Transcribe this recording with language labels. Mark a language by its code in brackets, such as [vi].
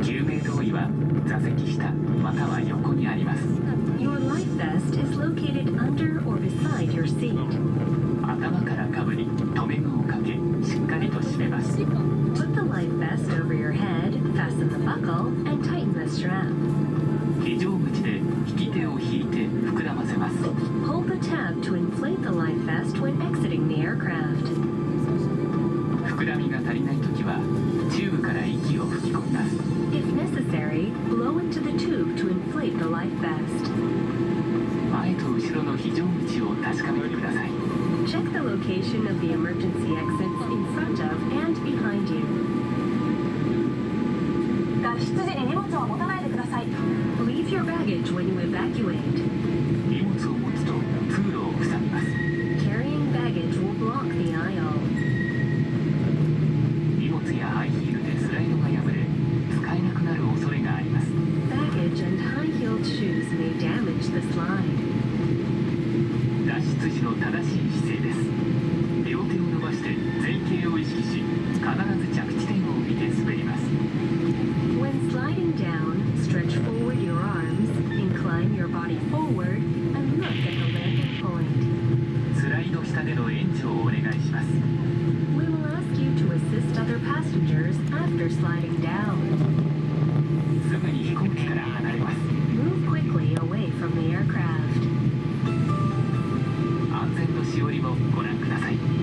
[ja] 救命胴衣は座席下または横にあります。 [en] Your life vest is located under or beside your seat. [ja] 頭からかぶり、留め具をかけ、しっかりと締めます。 [en] Put the life vest over your head, fasten the buckle, and tighten the strap. [ja] 非常口で引き手を引いて膨らませます。 [en] Hold the tab to inflate the life vest when exiting the aircraft. [ja] 膨らみが足りないときはチューブから息を吹き込みます。 [en] If necessary, blow into the tube to inflate the life vest. [ja] 前と後ろの非常口を確かめてください。 [en] Check the location of the emergency exits in front of and behind you. Leave your baggage when you evacuate. [ja] 荷物を持つと通路を塞ぎます。 [en] Carrying baggage will block the aisle. [ja] 荷物やハイヒールでスライドが破れ、使えなくなる恐れがあります。 [en] Baggage and high-heeled shoes may damage the slide. [ja] 脱出時の正しい姿勢です。両手を伸ばして前傾を意識し、必ず着地点を見て滑ります。 [en] When sliding down, stretch forward your arms, incline your body forward, and look at the landing point. [ja] スライド下での援助をお願いします。 [en] We will ask you to assist other passengers after sliding down. [ja] すぐに飛行機から離れます。 [en] Move quickly away from the aircraft. [ja] 安全のしおりをご覧ください。